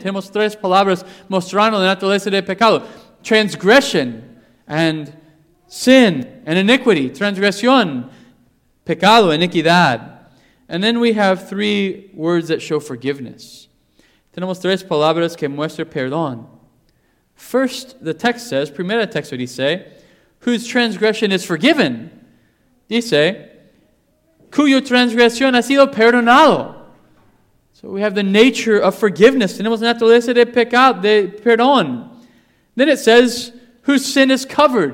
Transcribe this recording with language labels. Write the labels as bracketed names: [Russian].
[Spanish] Tenemos tres palabras mostrando la naturaleza del pecado. [English] Transgression and sin and iniquity. [Spanish] Transgresión, pecado, iniquidad. [English] And then we have three words that show forgiveness. [Spanish] Tenemos tres palabras que muestran perdón. [English] First, the text says, [Spanish] primera texto dice, [English] whose transgression is forgiven. [Spanish] Dice, cuyo transgresión ha sido perdonado. [English] So we have the nature of forgiveness. [Spanish] Tenemos la naturaleza de pecado, de perdón. [English] Then it says, whose sin is covered.